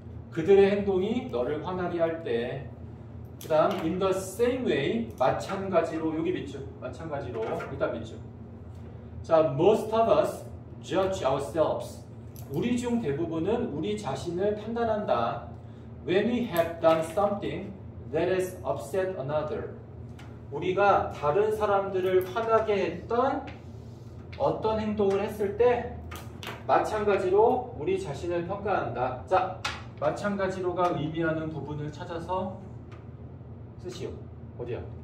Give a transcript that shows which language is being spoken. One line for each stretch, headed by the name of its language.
Korean: 그들의 행동이 너를 화나게 할 때. 그 다음
English: in the same way,
Korean: 마찬가지로, 여기 밑줄, 마찬가지로, 일단 밑줄.
English: 자, most of us judge ourselves.
Korean: 우리 중 대부분은 우리 자신을 판단한다.
English: When we have done something that has upset another.
Korean: 우리가 다른 사람들을 화나게 했던 어떤 행동을 했을 때 마찬가지로 우리 자신을 평가한다. 자, 마찬가지로가 의미하는 부분을 찾아서 쓰시오. 어디야?